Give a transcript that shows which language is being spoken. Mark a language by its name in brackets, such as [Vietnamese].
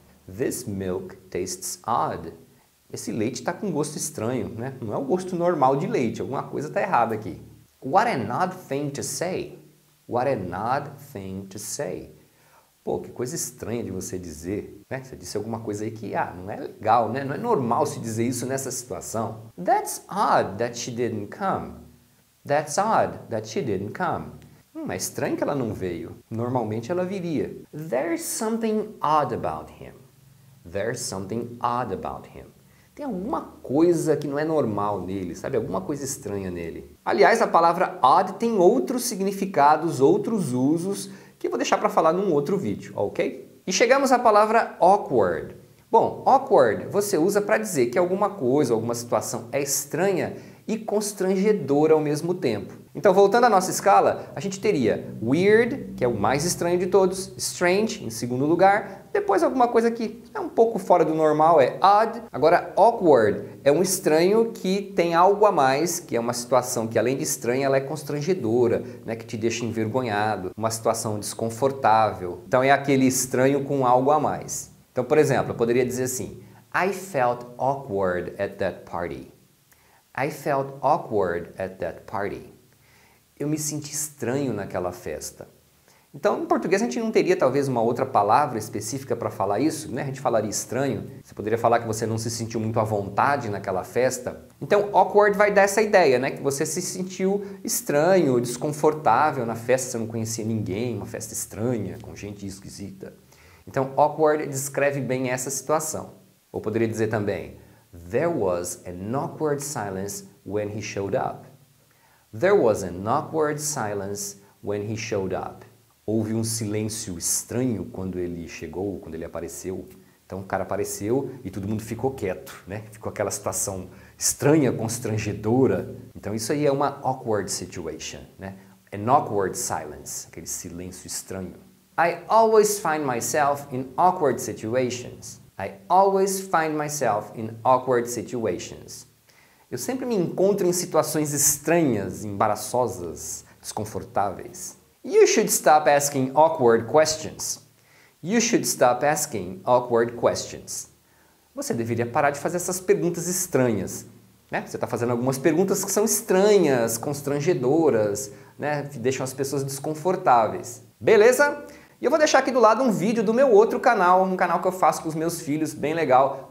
[English] This milk tastes odd. [Portuguese] Esse leite está com gosto estranho, né? Não é o gosto normal de leite, alguma coisa está errada aqui. [English] What an odd thing to say. What an odd thing to say. [Portuguese] Pô, que coisa estranha de você dizer, né? Você disse alguma coisa aí que, não é legal, né? Não é normal se dizer isso nessa situação. [English] That's odd that she didn't come. That's odd that she didn't come. [Portuguese] É estranho que ela não veio. Normalmente ela viria. [English] There's something odd about him. There's something odd about him. [Portuguese] Tem alguma coisa que não é normal nele, sabe? Alguma coisa estranha nele. Aliás, a palavra odd tem outros significados, outros usos, que eu vou deixar para falar num outro vídeo, ok? E chegamos à palavra awkward. Bom, awkward você usa para dizer que alguma coisa, alguma situação é estranha e constrangedora ao mesmo tempo. Então, voltando à nossa escala, a gente teria weird, que é o mais estranho de todos, strange, em segundo lugar, depois alguma coisa que é um pouco fora do normal, é odd. Agora, awkward é um estranho que tem algo a mais, que é uma situação que, além de estranha, ela é constrangedora, né, que te deixa envergonhado, uma situação desconfortável. Então, é aquele estranho com algo a mais. Então, por exemplo, eu poderia dizer assim, [English] I felt awkward at that party. I felt awkward at that party. [Portuguese] Eu me senti estranho naquela festa. Então, em português, a gente não teria talvez uma outra palavra específica para falar isso, né? A gente falaria estranho. Você poderia falar que você não se sentiu muito à vontade naquela festa. Então, awkward vai dar essa ideia, né? Que você se sentiu estranho, desconfortável na festa, você não conhecia ninguém, uma festa estranha, com gente esquisita. Então, awkward descreve bem essa situação. Ou poderia dizer também, [English] there was an awkward silence when he showed up. There was an awkward silence when he showed up. [Portuguese] Houve um silêncio estranho quando ele chegou, quando ele apareceu. Então o cara apareceu e todo mundo ficou quieto, né? Ficou aquela situação estranha, constrangedora. Então isso aí é uma awkward situation, né? [English] An awkward silence, [Portuguese] aquele silêncio estranho. [English] I always find myself in awkward situations. I always find myself in awkward situations. [Portuguese] Eu sempre me encontro em situações estranhas, embaraçosas, desconfortáveis. [English] You should stop asking awkward questions. You should stop asking awkward questions. [Portuguese] Você deveria parar de fazer essas perguntas estranhas, né? Você está fazendo algumas perguntas que são estranhas, constrangedoras, né? Que deixam as pessoas desconfortáveis. Beleza? E eu vou deixar aqui do lado um vídeo do meu outro canal, um canal que eu faço com os meus filhos, bem legal.